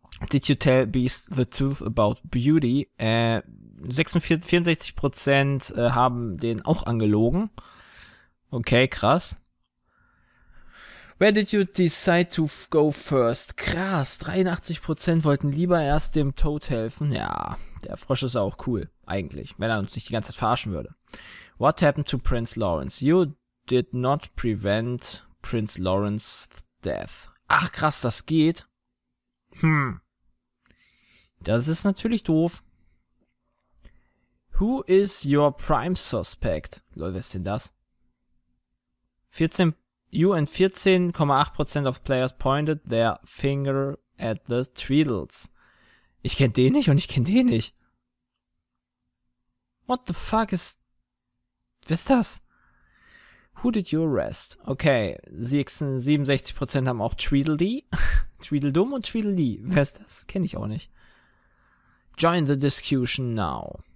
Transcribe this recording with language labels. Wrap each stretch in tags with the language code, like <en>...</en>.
<en>Did you tell Beast the truth about Beauty?</en> <de>64% haben den auch angelogen. Okay, krass.</de> <en>Where did you decide to go first?</en> <de>Krass, 83% wollten lieber erst dem Toad helfen. Ja, der Frosch ist auch cool, eigentlich, wenn er uns nicht die ganze Zeit verarschen würde.</de> <en>What happened to Prince Lawrence? You did not prevent Prince Lawrence's death.</en> <de>Ach, krass, das geht. Das ist natürlich doof.</de> <en>Who is your prime suspect?</en> <de>Lol, wer ist denn das?</de> <en>14, you and 14,8% of players pointed their finger at the Tweedles.</en> <de>Ich kenn den nicht und ich kenn den nicht.</de> <en>What the fuck is...</en> <de>Wer ist das?</de> <en>Who did you arrest?</en> <de>Okay, 67% haben auch Tweedledee. Tweedledum und Tweedledee. Wer ist das? Kenn ich auch nicht.</de> <en>Join the discussion now.</en>